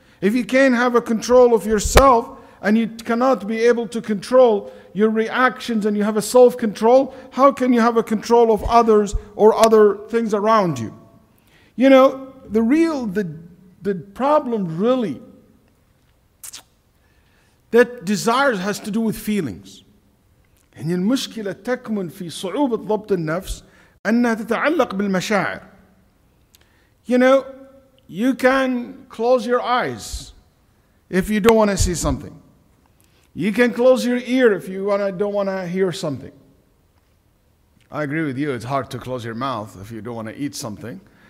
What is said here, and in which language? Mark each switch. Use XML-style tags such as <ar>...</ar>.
<en>If you can't have a control of yourself and you cannot be able to control your reactions and you have a self-control, how can you have a control of others or other things around you? You know, the problem really that desires has to do with feelings.</en> <ar>يعني المشكلة تكمن في صعوبة ضبط النفس أنها تتعلق بالمشاعر.</ar> <en>You know, you can close your eyes if you don't want to see something. You can close your ear if you don't want to hear something. I agree with you, it's hard to close your mouth if you don't want to eat something.</en>